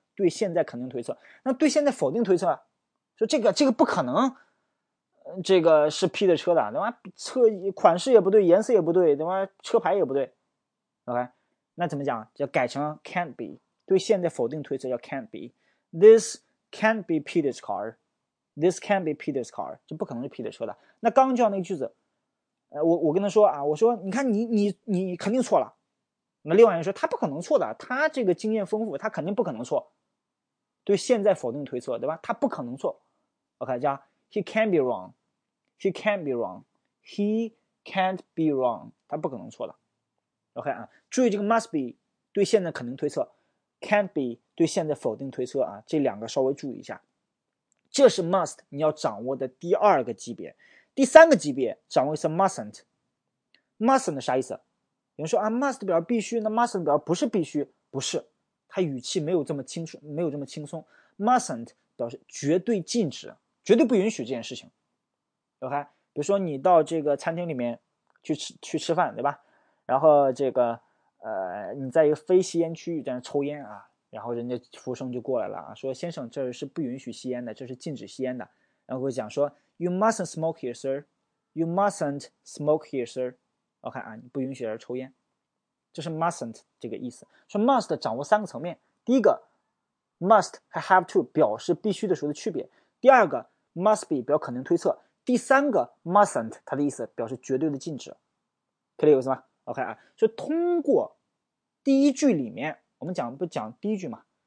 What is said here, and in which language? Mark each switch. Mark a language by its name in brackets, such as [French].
[Chinese] 对现在肯定推测，那对现在否定推测，说这个不可能。这个是 P 的车的，对吧？车款式也不对，颜色也不对，对吧？车牌也不对。OK， 那怎么讲？就改成 can't be， 对现在否定推测叫 can't be。 [English] This can't be Peter's car。 This can't be Peter's car， [Chinese] 这不可能是 P 的车的。那刚刚就像那个句子，我跟他说啊，我说你看你肯定错了，那另外人说他不可能错的，他这个经验丰富，他肯定不可能错。对现在否定推测，对吧？他不可能错。 [English] OK，加 he can't be wrong，he can't be wrong，he can't be wrong， [Chinese] 他不可能错的。 OK 啊，注意这个 must be 对现在肯定推测，can't be 对现在否定推测啊，这两个稍微注意一下。这是 must 你要掌握的第二个级别，第三个级别掌握的是 mustn't。 mustn't 啥意思？有人说啊，must 表示必须，那 mustn't 表示不是必须，不是，它语气没有这么轻松，没有这么轻松。 mustn't 表示绝对禁止，绝对不允许这件事情。 OK，比如说你到这个餐厅里面去吃饭，对吧？然后这个你在一个非吸烟区域在那抽烟啊，然后人家服务生就过来了啊，说先生，这是不允许吸烟的，这是禁止吸烟的。然后会讲说， [English] You mustn't smoke here, sir. You mustn't smoke here, sir. [Chinese] OK 啊，你不允许在这抽烟，这是 mustn't 这个意思。说 must 掌握三个层面，第一个 must 和 have to 表示必须的时候的区别，第二个 must be 表肯定推测，第三个 mustn't 它的意思表示绝对的禁止，可以有意思吗？OK 啊，就通过第一句里面，我们讲不讲第一句嘛？